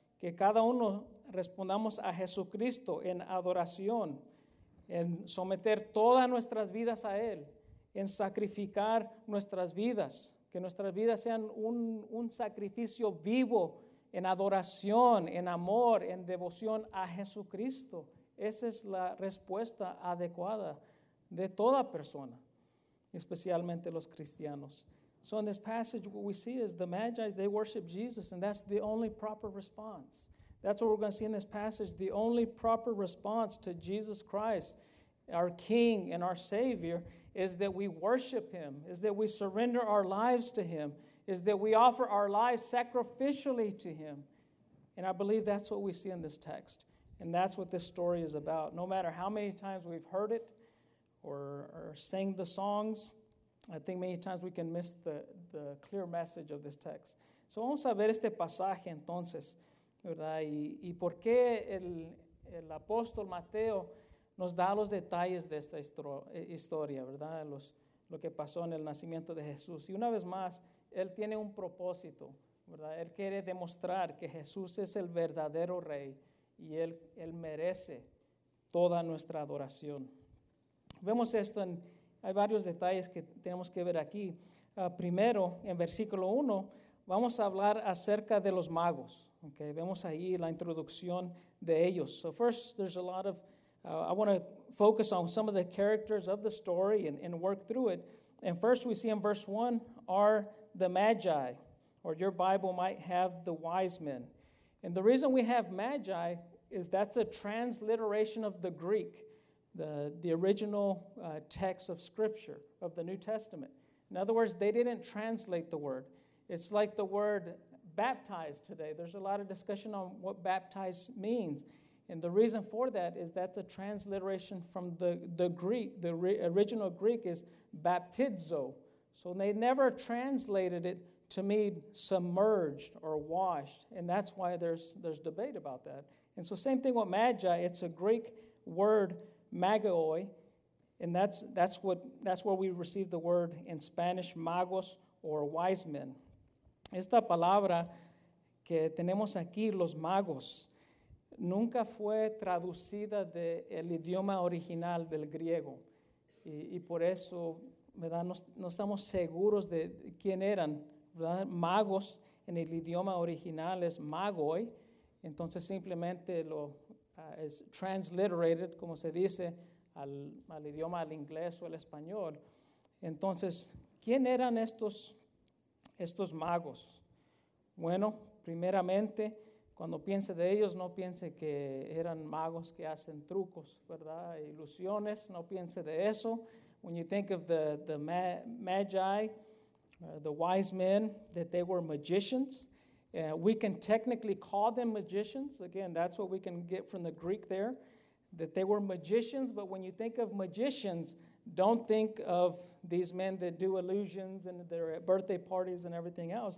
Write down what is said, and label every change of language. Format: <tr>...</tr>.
<es>Que cada uno respondamos a Jesucristo en adoración, en someter todas nuestras vidas a él, en sacrificar nuestras vidas. Que nuestras vidas sean un sacrificio vivo en adoración, en amor, en devoción a Jesucristo. Esa es la respuesta adecuada de toda persona, especialmente los cristianos.</es> <en>So in this passage, what we see is the Magi, they worship Jesus, and that's the only proper response. That's what we're going to see in this passage, the only proper response to Jesus Christ, our King and our Savior, is that we worship him, is that we surrender our lives to him, is that we offer our lives sacrificially to him. And I believe that's what we see in this text. And that's what this story is about. No matter how many times we've heard it or sang the songs I think many times we can miss the clear message of this text.</en> <es>So vamos a ver este pasaje entonces, ¿verdad? Y por qué el apóstol Mateo nos da los detalles de esta historia, ¿verdad? Lo que pasó en el nacimiento de Jesús. Y una vez más, él tiene un propósito, ¿verdad? Él quiere demostrar que Jesús es el verdadero rey y él merece toda nuestra adoración. Vemos esto en... Hay varios detalles que tenemos que ver aquí. Primero, en versículo 1, vamos a hablar acerca de los magos. Okay, vemos ahí la introducción de ellos.</es> <en>So first, there's a lot of... I want to focus on some of the characters of the story and work through it. And first, we see in verse 1, are the magi, or your Bible might have the wise men. And the reason we have magi is that's a transliteration of the Greek, the original text of Scripture, of the New Testament. In other words, they didn't translate the word. It's like the word baptized today. There's a lot of discussion on what baptized means. And the reason for that is that's a transliteration from the Greek. The original Greek is baptizo. So they never translated it to mean submerged or washed. And that's why there's debate about that. And so same thing with magi. It's a Greek word, magoi, and that's where we receive the word in Spanish, magos, or wise men.</en> <es>Esta palabra que tenemos aquí, los magos, nunca fue traducida del idioma original del griego. Y por eso, ¿verdad? No estamos seguros de quién eran, ¿verdad? Magos en el idioma original es magoi. Entonces simplemente lo...</es> <en>is transliterated,</en> <es>como se dice, al idioma, al inglés o al español. Entonces, ¿quién eran estos magos? Bueno, primeramente, cuando piense de ellos, no piense que eran magos que hacen trucos, ¿verdad? Ilusiones, no piense de eso.</es> <en>When you think of the magi, the wise men, that they were magicians, we can technically call them magicians. Again, that's what we can get from the Greek there, that they were magicians. But when you think of magicians, don't think of these men that do illusions and they're at birthday parties and everything else.</en>